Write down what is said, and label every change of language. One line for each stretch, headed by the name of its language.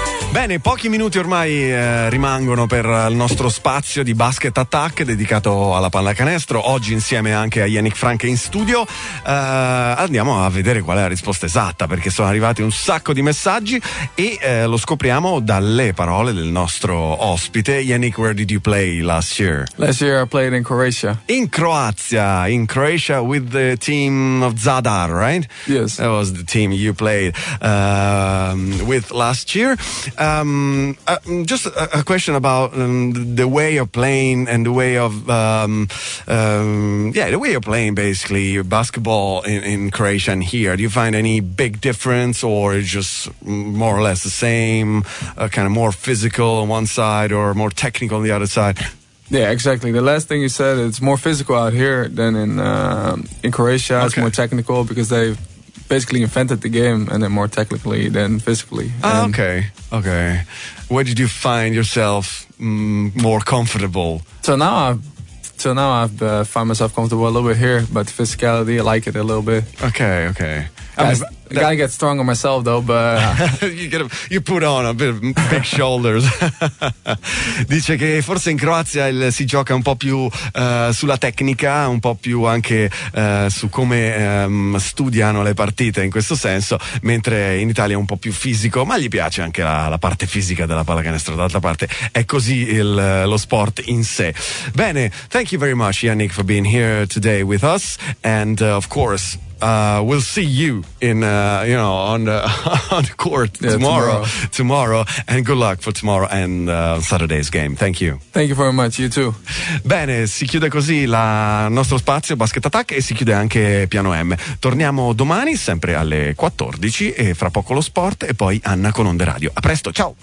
Italian: Bene, pochi minuti ormai rimangono per il nostro spazio di Basket Attack dedicato alla pallacanestro, oggi insieme anche a Yannick Frank in studio. Andiamo a vedere qual è la risposta esatta, perché sono arrivati un sacco di messaggi e lo scopriamo dalle parole del nostro ospite.
English: Yannick, where did you play last year? Last year I played in Croatia. In Croazia, in Croatia with the team of Zadar, right? Yes. That was the team you played with last year. Just a question about the way you're playing and the way of the way you're playing basically your basketball in Croatia and here. Do you find any big difference or just more or less the same, kind of more physical on one side or more technical on the other side? Yeah, exactly. The last thing you said, it's more physical out here than in Croatia. Okay. It's more technical because they've basically invented the game, and then more technically than physically. Ah, okay, okay. Where did you find yourself more comfortable? So now I've found myself comfortable a little bit here, but physicality, I like it a little bit. Okay, okay. Gotta get stronger myself though, but you put on a bit of big shoulders.
Italian: Dice che forse in Croazia si gioca un po' più sulla tecnica, un po' più anche su come studiano le partite in questo senso, mentre in Italia è un po' più fisico, ma gli piace anche la parte fisica della pallacanestro. D'altra parte è così lo sport in sé.
English: Bene, thank you very much Yannick for being here today with us, and of course we'll see you in on the court tomorrow, and good luck for tomorrow and Saturday's game. Thank you very much, you too.
Italian: Bene, si chiude così il nostro spazio Basket Attack e si chiude anche Piano M. Torniamo domani sempre alle 14 e fra poco lo sport e poi Anna con Onde Radio. A presto, ciao.